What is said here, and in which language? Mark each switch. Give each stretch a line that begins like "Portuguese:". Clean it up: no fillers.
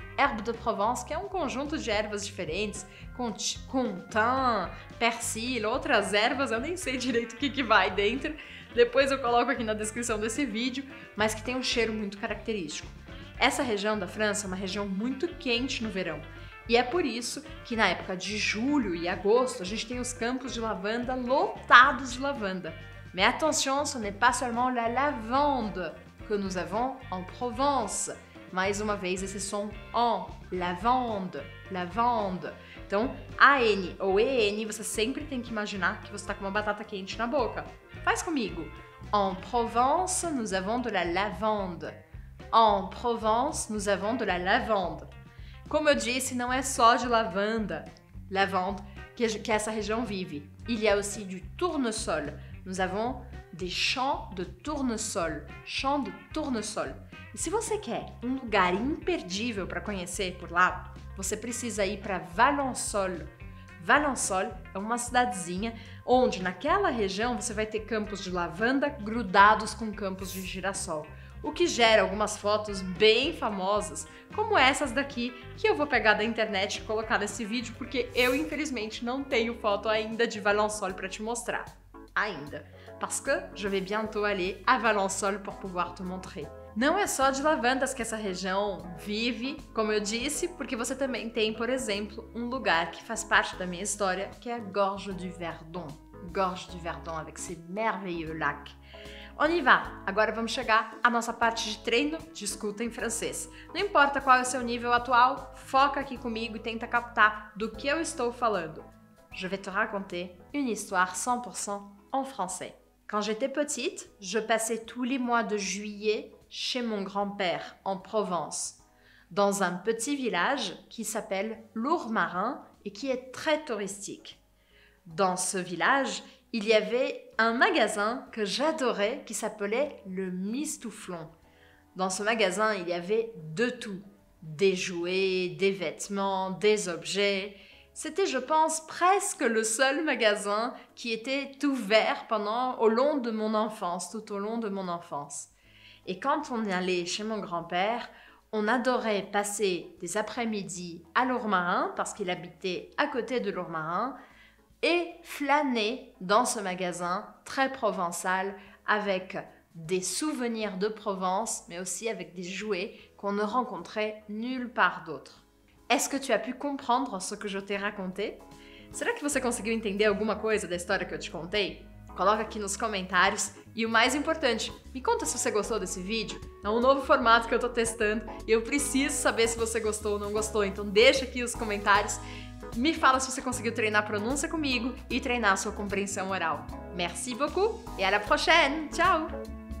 Portuguese: Herbe de Provence, que é um conjunto de ervas diferentes, com thym, persil, outras ervas, eu nem sei direito o que vai dentro. Depois eu coloco aqui na descrição desse vídeo, mas que tem um cheiro muito característico. Essa região da França é uma região muito quente no verão. E é por isso que na época de julho e agosto a gente tem os campos de lavanda lotados de lavanda.
French: Mais attention, ce n'est pas seulement la lavande que nous avons en Provence.
Portuguese: Mais uma vez esse som en, lavande, lavande. Então, A-N ou E-N, você sempre tem que imaginar que você está com uma batata quente na boca. Faz comigo.
French: En Provence, nous avons de la lavande. En Provence, nous avons de la lavande.
Portuguese: Como eu disse, não é só de lavanda, lavande, que essa região vive.
French: Il y a aussi du tournesol. Nous avons des champs de tournesol. Champs de tournesol.
Portuguese: E se você quer um lugar imperdível para conhecer por lá, você precisa ir para Valençol. Valençol é uma cidadezinha onde naquela região você vai ter campos de lavanda grudados com campos de girassol, o que gera algumas fotos bem famosas, como essas daqui, que eu vou pegar da internet e colocar nesse vídeo, porque eu, infelizmente, não tenho foto ainda de Valençol para te mostrar. Ainda.
French: Parce que je vais bientôt aller à Valençol pour pouvoir te montrer.
Portuguese: Não é só de lavandas que essa região vive, como eu disse, porque você também tem, por exemplo, um lugar que faz parte da minha história, que é a Gorge du Verdon.
French: Gorge du Verdon, avec ce merveilleux lac. On y va!
Portuguese: Agora vamos chegar à nossa parte de treino de escuta em francês. Não importa qual é o seu nível atual, foca aqui comigo e tenta captar do que eu estou falando.
French: Je vais te raconter une histoire 100% en français. Quand j'étais petite, je passais tous les mois de juillet chez mon grand-père en Provence, dans un petit village qui s'appelle Lourmarin et qui est très touristique. Dans ce village, il y avait un magasin que j'adorais qui s'appelait le Mistouflon. Dans ce magasin, il y avait de tout. Des jouets, des vêtements, des objets. C'était, je pense, presque le seul magasin qui était ouvert tout au long de mon enfance. Et quand on y allait chez mon grand-père, on adorait passer des après-midi à Lourmarin, parce qu'il habitait à côté de Lourmarin, et flâner dans ce magasin très provençal avec des souvenirs de Provence, mais aussi avec des jouets qu'on ne rencontrait nulle part d'autre. Est-ce que tu as pu comprendre ce que je t'ai raconté?
Portuguese: Será que você conseguiu entender alguma coisa da história que eu te contei? Coloca aqui nos comentários. E o mais importante, me conta se você gostou desse vídeo. É um novo formato que eu tô testando e eu preciso saber se você gostou ou não gostou. Então deixa aqui os comentários. Me fala se você conseguiu treinar a pronúncia comigo e treinar a sua compreensão oral.
French: Merci beaucoup et à la prochaine.
Portuguese: Tchau!